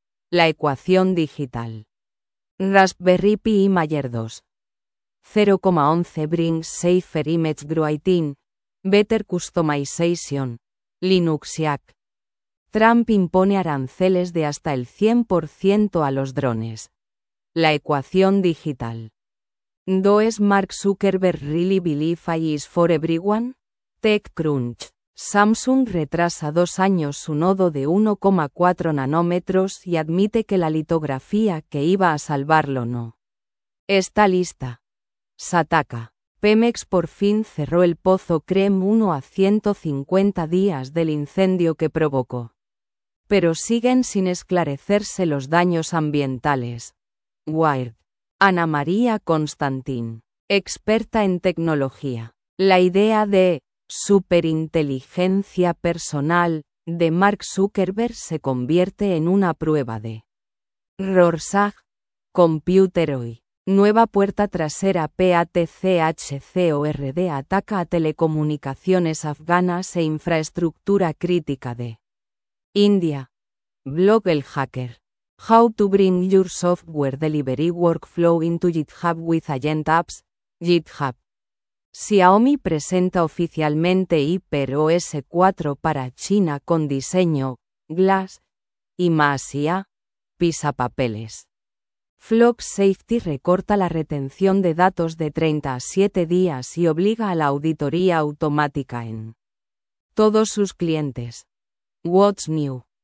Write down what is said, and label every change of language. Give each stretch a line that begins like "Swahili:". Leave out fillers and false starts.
Spanish: La ecuación digital. Raspberry Pi Mayer 2.
English: 0.11 brings safer image writing, better customization. Linux Yak.
Spanish: Trump impone aranceles de hasta el 100% a los drones. La ecuación digital.
English: ¿Does Mark Zuckerberg really believe AI is for everyone? TechCrunch.
Spanish: Samsung retrasa 2 años su nodo de 1,4 nanómetros y admite que la litografía que iba a salvarlo no está lista. Sataka. Pemex por fin cerró el pozo CREM 1 a 150 días del incendio que provocó. Pero siguen sin esclarecerse los daños ambientales. Wired. Ana María Constantín. Experta en tecnología. La idea de superinteligencia personal de Mark Zuckerberg se convierte en una prueba de Rorschach. ComputerOi. Nueva puerta trasera PATCHCORD ataca a telecomunicaciones afganas e infraestructura crítica de India. Blog El Hacker.
English: How to bring your software delivery workflow into GitHub with agent apps. GitHub.
Spanish: Xiaomi presenta oficialmente HyperOS 4 para China con diseño Glass y más IA. Pisa papeles. Flock Safety recorta la retención de datos de 30 a 7 días y obliga a la auditoría automática en todos sus clientes. What's new?